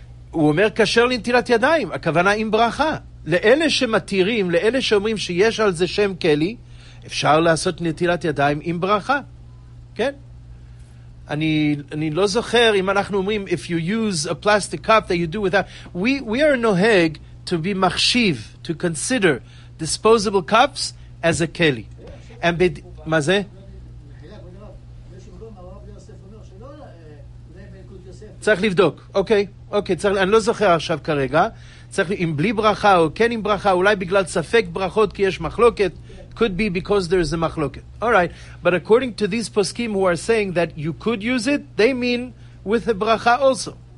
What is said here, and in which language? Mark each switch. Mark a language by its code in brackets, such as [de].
[he] הוא אומר כשר לנטילת ידיים, הכוונה עם ברכה. לאלה שמתירים, לאלה שאומרים שיש על זה שם קלי, אפשר לעשות נטילת ידיים עם ברכה. כן? אני לא זוכר אם אנחנו אומרים, [en] if you use a plastic cup that you do without, we are נוהג to be מחשיב, to consider disposable cups as a קלי. [he] מה זה? צריך לבדוק, אוקיי, אני לא זוכר עכשיו כרגע, אם בלי ברכה או כן עם ברכה, אולי בגלל ספק ברכות כי יש מחלוקת, [en] could be because there is a [he] מחלוקת. [en] Alright, but according to these poskim who are saying that you could use it, they mean with a ברכה also.